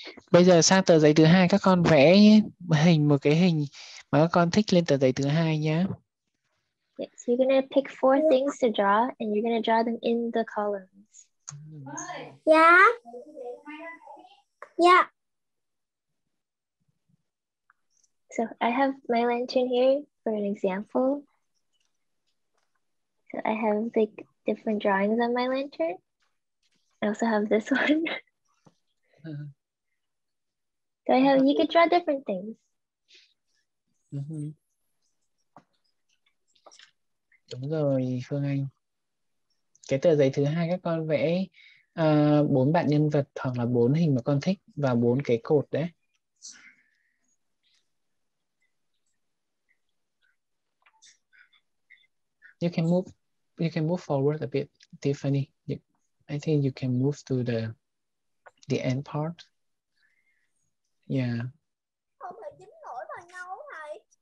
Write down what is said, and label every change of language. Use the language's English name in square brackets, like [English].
[Vietnamese] Bây giờ sang tờ giấy thứ hai, các con vẽ hình một cái hình mà các con thích lên tờ giấy thứ hai nhé. [English] Yeah, so you're gonna pick four things to draw and you're gonna draw them in the columns. Yeah. So I have my lantern here for an example. So I have like different drawings on my lantern. I also have this one. So I have, you could draw different things. [Vietnamese] Đúng rồi, Phương Anh. Cái tờ giấy thứ hai các con vẽ bốn bạn nhân vật hoặc là bốn hình mà con thích và bốn cái cột đấy. [English] You can move forward a bit, Tiffany. I think you can move to the end part. Yeah. [Vietnamese] Không phải dính nổi vào nhau thầy.